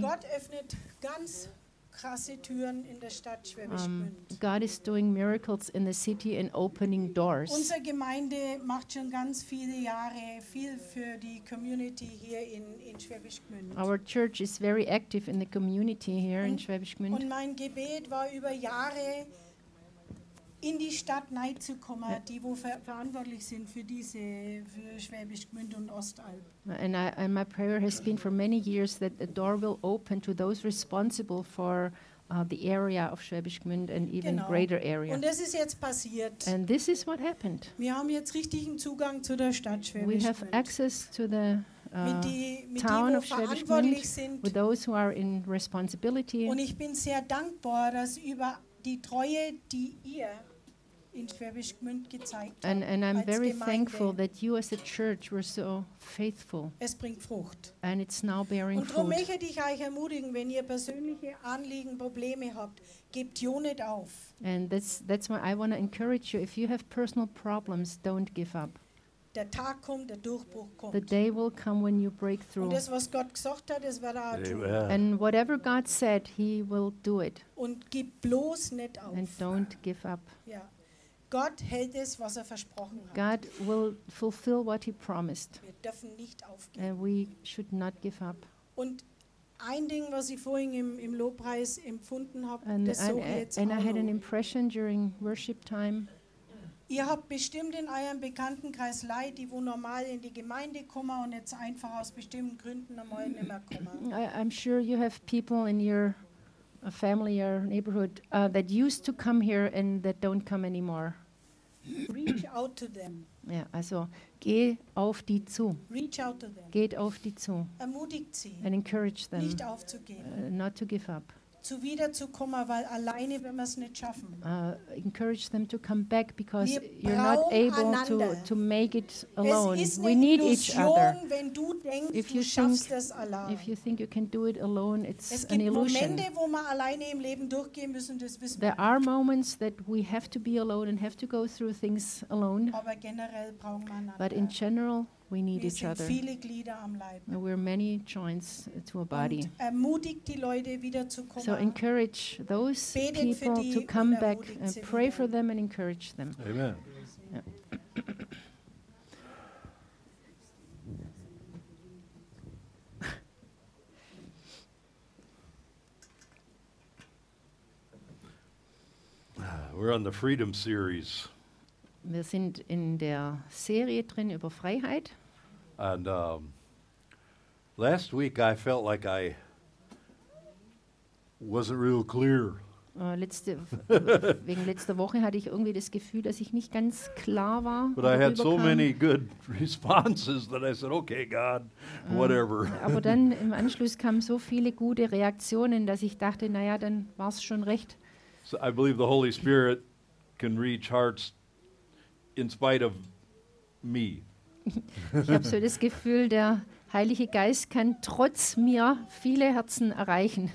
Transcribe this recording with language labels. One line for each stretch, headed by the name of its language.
German: Gott öffnet ganz krasse Türen in der Stadt Schwäbisch Gmünd.
English: God is doing miracles in the city and opening doors.
German: Unsere Gemeinde macht schon ganz viele Jahre viel für die Community hier in Schwäbisch Gmünd.
English: Our church is very active in the community here in Schwäbisch Gmünd.
German: Und mein Gebet war über Jahre in die Stadt reinzukommen, die wo verantwortlich sind für Schwäbisch Gmünd und Ostalb.
English: And my prayer has been for many years that the door will open to those responsible for the area of Schwäbisch Gmünd and even greater area.
German: Und das ist jetzt passiert.
English: And this is what happened.
German: Wir haben jetzt richtigen Zugang zu der Stadt Schwäbisch
English: Gmünd. We have access to the town of Schwäbisch Gmünd with those who are in responsibility.
German: Und ich bin sehr dankbar, dass über die Treue, die ihr in Schwäbisch Gmünd gezeigt haben.
English: And I'm very thankful that you as a church were so faithful.
German: Es bringt Frucht.
English: And it's now bearing
German: fruit. Und darum möchte ich euch ermutigen, wenn ihr persönliche Anliegen, Probleme habt, gebt jo nicht auf.
English: And that's why I want to encourage you, if you have personal problems, don't give up.
German: Der Tag kommt, der Durchbruch kommt.
English: The day will come when you break through.
German: Und das, was Gott gesagt hat, das wird er auch tun.
English: And whatever God said, he will do it.
German: Und gib bloß nicht auf.
English: And don't give up.
German: Ja. Gott hält es, was er versprochen hat.
English: God will fulfill what he promised.
German: Wir dürfen nicht aufgeben.
English: And we should not give up.
German: Und ein Ding, was ich vorhin im Lobpreis empfunden habe,
English: and
German: das so jetzt
English: and I had an impression during worship time.
German: Ihr habt bestimmt in eurem Bekanntenkreis Leute, die wo normal in die Gemeinde kommen und jetzt einfach aus bestimmten Gründen einmal nicht mehr kommen.
English: I'm sure you have people in your family or neighborhood that used to come here and that don't come anymore. Reach out to them.
German: Ja, also geh auf die zu.
English: Reach out to them.
German: Geht auf die zu. Ermutigt sie.
English: And encourage them.
German: Nicht aufzugeben.
English: Not to give up.
German: Zu wiederzukommen, weil alleine wenn wir es nicht schaffen.
English: Encourage them to come back because you're not able to make it alone. We need each other.
German: Wenn du denkst,
English: if you think,
German: schaffst es allein.
English: If you think you can do it alone, it's an illusion.
German: Es gibt Momente, wo wir alleine im Leben durchgehen müssen, das wissen
English: there are moments that we have to be alone and have to go through things alone.
German: Aber generell brauchen wir einander.
English: But in general, we need
German: wir
English: each other.
German: Viele Glieder am Leib.
English: We're many joints to a body.
German: Und ermutigt die Leute wieder zu kommen.
English: So encourage those
German: betet
English: people to come back and pray for them and encourage them. Amen. Yeah. We're on the Freedom Series.
German: Wir sind in der Serie drin über Freiheit.
English: And last week I felt like I wasn't real clear.
German: Wegen letzter Woche hatte ich irgendwie das Gefühl, dass ich nicht ganz klar war.
English: But I had so many good responses that I said, okay, God, whatever.
German: Aber dann im Anschluss kamen so viele gute Reaktionen, dass ich dachte, naja, dann war es schon recht.
English: So I believe the Holy Spirit can reach hearts in spite of me.
German: Ich habe so das Gefühl, der Heilige Geist kann trotz mir viele Herzen erreichen.